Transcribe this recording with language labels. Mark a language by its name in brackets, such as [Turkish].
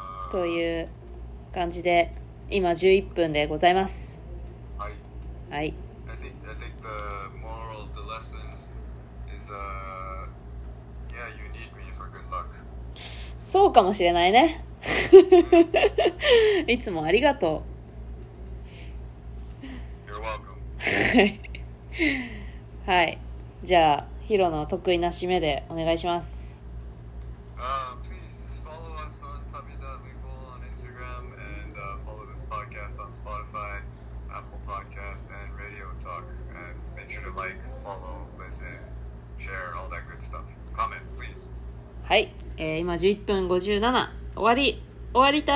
[Japanese] という感じで今11分でございます。はい、はい、 [English] I think the moral of the lesson is yeah, you need me for good luck. [Japanese] そうかもしれないね。いつもありがとう。 [English] You're welcome. [Japanese] はい、じゃあヒロの得意な締めでお願いします。 [English] Please follow us on tabi.legal on Instagram and follow this podcast on Spotify, Apple Podcast and Radio Talk, and make sure to like, follow, listen, share, all that good stuff. Comment, please. [Japanese] はい、今11分57、終わり、終わりたい。